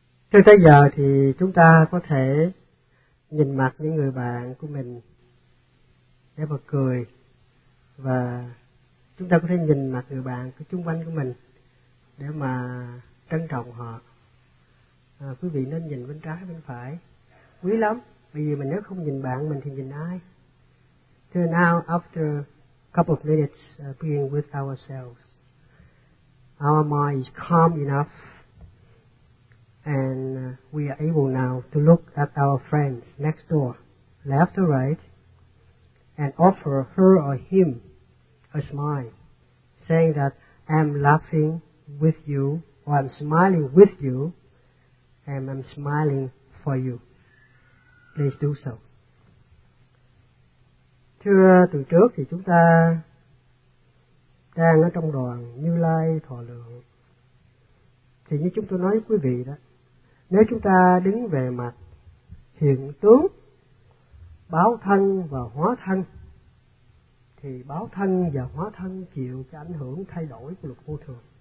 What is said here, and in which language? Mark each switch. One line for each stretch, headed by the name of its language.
Vietnamese: Cho tới giờ thì chúng ta có thể nhìn mặt những người bạn của mình để mà cười, và chúng ta có thể nhìn mặt người bạn của chung quanh của mình để mà trân trọng họ. Quý vị nên nhìn bên trái bên phải, quý lắm, bởi vì mình nếu không nhìn bạn mình thì nhìn ai?
English: So now after a couple of minutes being with ourselves, our mind is calm enough. And we are able now to look at our friends next door, left or right, and offer her or him a smile, saying that I'm laughing with you, or I'm smiling with you, and I'm smiling for you. Please do so.
Vietnamese: Thưa từ trước thì chúng ta đang ở trong đoàn Như Lai Thọ Lượng. Thì như chúng tôi nói với quý vị đó, nếu chúng ta đứng về mặt hiện tướng, báo thân và hóa thân, thì báo thân và hóa thân chịu cái ảnh hưởng thay đổi của luật vô thường.